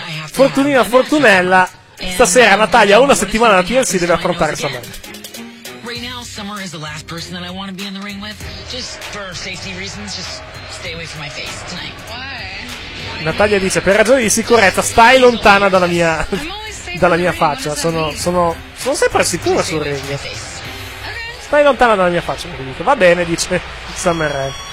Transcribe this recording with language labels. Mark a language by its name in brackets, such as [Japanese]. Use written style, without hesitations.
[Italian] Fortunina fortunella, stasera Natalia a una settimana da TLC deve affrontare Summer. [English] Right now, Summer is the last person that I want to be in the ring with. Just for safety reasons, just stay away from my face tonight. Why? [Italian] Natalia dice, per ragioni di sicurezza, stai lontana dalla mia faccia. Sono sempre sicura sul ring. Stai lontana dalla mia faccia. Va bene, dice Summer.